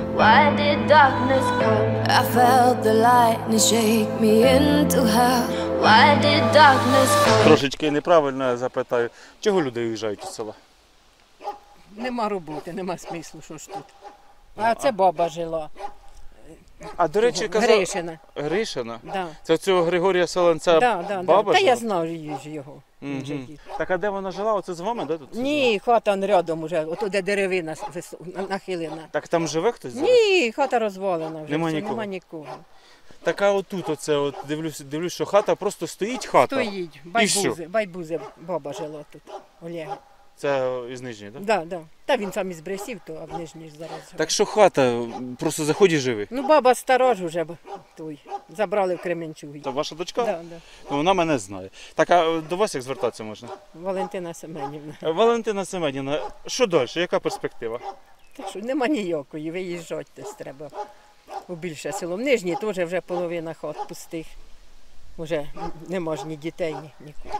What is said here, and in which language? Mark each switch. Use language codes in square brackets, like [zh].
[en] Why did darkness come? I felt the lightning shake me into hell. Why did darkness come? [uk] Трошечки неправильно запитаю, чого люди їжджають з села? Нема роботи, нема смислу, що ж тут. А це баба жила. А, до речі, казав... Гришина. Гришина? Да. Це цього Григорія Солонця да, да, баба да. Та я знав її ж його. Угу. Так а де вона жила? Оце з вами, де тут? Ні, хата рядом уже, ото де деревина нахилена. Так там живе хтось зараз? Ні, хата розвалена вже. Нема нікого? Нема нікого. Так а отут оце, от дивлюсь, що хата, просто стоїть хата? Стоїть. Байбузи, байбузи баба жила тут, Олег. Це із Нижньої, так? Да, да. Та він сам із Брестів, то а в Нижній зараз. Так що хата, просто заходь і живи. Ну баба стара ж уже той, забрали в Кременчугу. Та ваша дочка? Да, да. Ну вона мене знає. Так а до вас як звертатися можна? Валентина Семенівна. Валентина Семенівна, що далі, яка перспектива? Та що, нема ніякої, виїжджати десь треба у більше село. В Нижній теж вже половина хат пустих, вже не можна ні дітей, ні нікуди.